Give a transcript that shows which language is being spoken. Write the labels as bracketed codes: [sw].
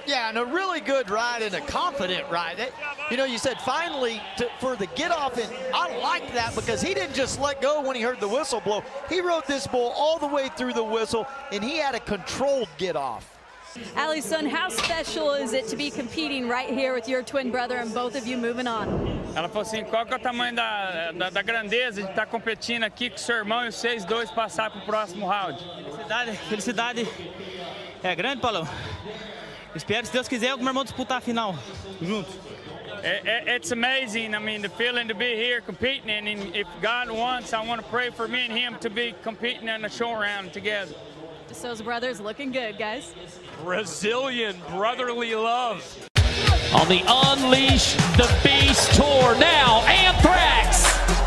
[en] Yeah, and a really good ride and a confident ride. You know, you said finally for the get-off, and I like that because he didn't just let go when he heard the whistle blow. He rode this bull all the way through the whistle, and he had a controlled get-off. Alisson, how special is it to be competing right here with your twin brother and both of you moving on? [pt] Ela falou assim, qual que é o tamanho da grandeza de estar competindo aqui com seu irmão e vocês dois passar pro próximo round? Felicidade é grande, Paulo. Espero, se Deus quiser, que meu irmão disputar a final junto. [en] It's amazing. I mean, the feeling to be here competing, and if God wants, I want to pray for me and him to be competing in the show round together. Souza brothers looking good, guys. Brazilian brotherly love. On the Unleash the Beast Tour now, Anthrax.